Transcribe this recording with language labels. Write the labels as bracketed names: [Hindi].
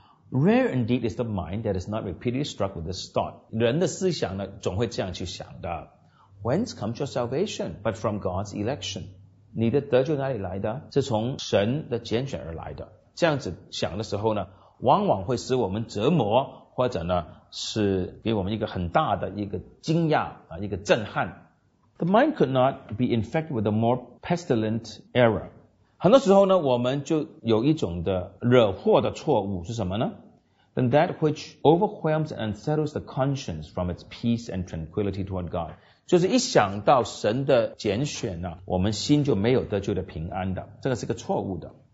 [English] Rare indeed is the mind that is not repeatedly struck with this thought. [Chinese] 人的思想呢，总会这样去想的。 [English] Whence comes your salvation? But from God's election. [Chinese] 你的得救哪里来的？是从神的拣选而来的。这样子想的时候呢，往往会使我们折磨，或者呢，是给我们一个很大的一个惊讶，一个震撼。 [English] The mind could not be infected with a more pestilent error. [Chinese] 很多时候呢，我们就有一种的惹祸的错误是什么呢？ [English] Than that which overwhelms and unsettles the conscience from its peace and tranquility toward God， [Chinese] 就是一想到神的拣选呢，我们心就没有得救的平安的，这个是个错误的。